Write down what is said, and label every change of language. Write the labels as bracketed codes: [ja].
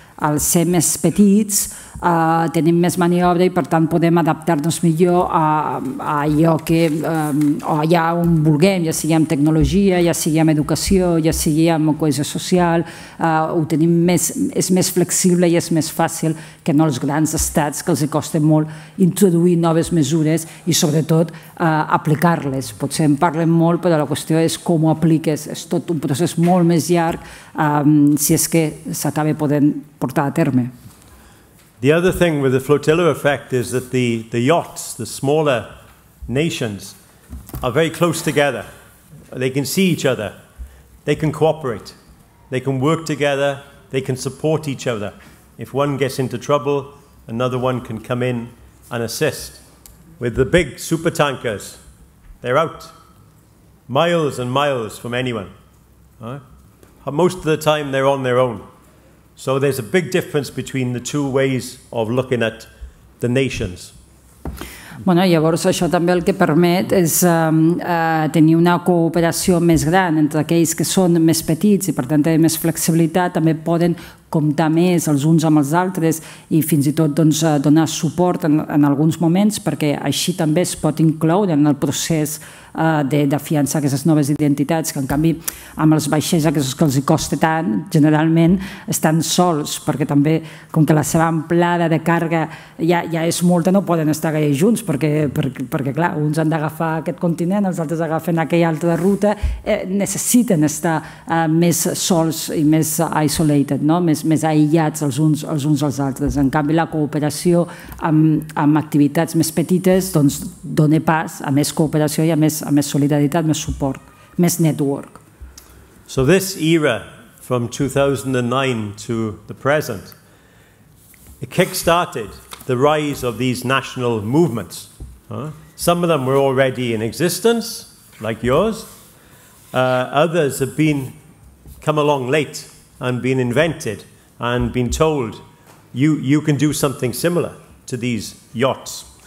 [ca] Al ser més petits, tenim més maniobra i, per tant, podem adaptar-nos millor a allò que allà on vulguem, ja sigui amb tecnologia, ja sigui amb educació, ja sigui amb cohesió social, ho tenim més, és més flexible i és més fàcil que no els grans estats, que els costa molt introduir noves mesures i, sobretot, aplicar-les. Potser en parlem molt, però la qüestió és com ho apliques. És tot un procés molt més llarg si és que s'acaba podent portar a terme. [en] The other thing with the flotilla effect is that the yachts, the smaller nations, are very close together. They can see each other. They can cooperate. They can work together. They can support each other. If one gets into trouble, another one can come in and assist. With the big supertankers, they're out miles and miles from anyone. Right? Most of the time, they're on their own. So there's a big difference between the two ways of looking at the nations. [ca] Bueno, llavors això també el que permet és tenir una cooperació més gran entre aquells que són més petits i per tant tenen més flexibilitat, també poden comptar més els uns amb els altres i fins i tot doncs, donar suport en alguns moments, perquè així també es pot incloure en el procés d'afiançar aquestes noves identitats, que en canvi amb els vaixells aquests que els costa tant, generalment estan sols, perquè també com que la seva amplada de càrrega ja és molta, no poden estar gaire junts, perquè clar, uns han d'agafar aquest continent, els altres agafen aquella altra ruta, necessiten estar més sols i més isolated, no? més aïllats els uns als altres. En canvi, la cooperació amb activitats més petites doncs dona pas a més cooperació i a més solidaritat, més suport, més network. [en] So this era from 2009 to the present, it kick-started the rise of these national movements. Some of them were already in existence, like yours. Others have been come along late and been invented and been told, you can do something similar to these yachts.